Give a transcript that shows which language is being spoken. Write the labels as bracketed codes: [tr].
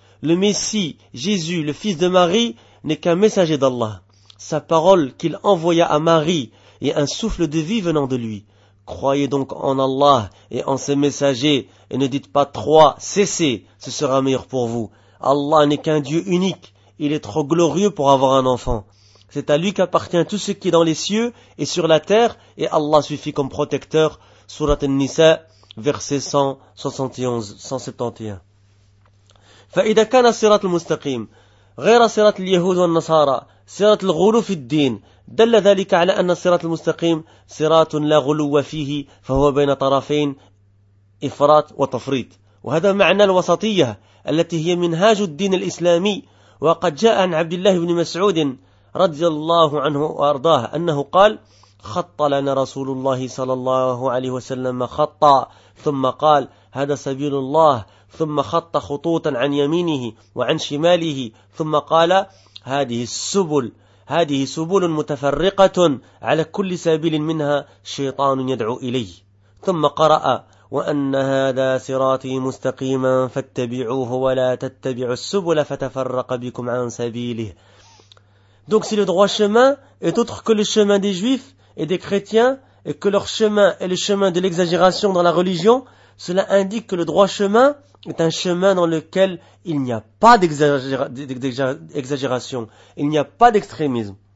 [fr] Le Messie, Jésus, le fils de Marie, n'est qu'un messager d'Allah. Sa parole qu'il envoya à Marie est un souffle de vie venant de lui. Croyez donc en Allah et en ses messagers et ne dites pas trois, cessez, ce sera meilleur pour vous. Allah n'est qu'un Dieu unique, il est trop glorieux pour avoir un enfant. C'est à lui qu'appartient tout ce qui est dans les cieux et sur la terre et Allah suffit comme protecteur. » Sourate An-Nisa, verset 171-171. « [ar] Fa'idha kana sirat al-mustaqim » غير صراط اليهود والنصارى صراط الغلو في الدين دل ذلك على أن الصراط المستقيم صراط لا غلو فيه فهو بين طرفين إفراط وتفريط وهذا معنى الوسطية التي هي منهاج الدين الإسلامي وقد جاء عن عبد الله بن مسعود رضي الله عنه وأرضاه أنه قال خط لنا رسول الله صلى الله عليه وسلم خط ثم قال هذا سبيل الله ثم خط خطوطا عن يمينه وعن شماله ثم قال هذه سبل متفرقة على كل سبيل منها شيطان يدعو إليه ثم قرأ وأن هذا صراطي مستقيما فاتبعوه ولا تتبعوا السبل فتفرق بكم عن سبيله. [fr] Donc si le droit chemin est autre que le chemin des juifs et des chrétiens et que leur chemin est le chemin de l'exagération dans la religion, cela indique que le droit chemin est un chemin dans lequel il n'y a pas d'exagération, il n'y a pas d'extrémisme.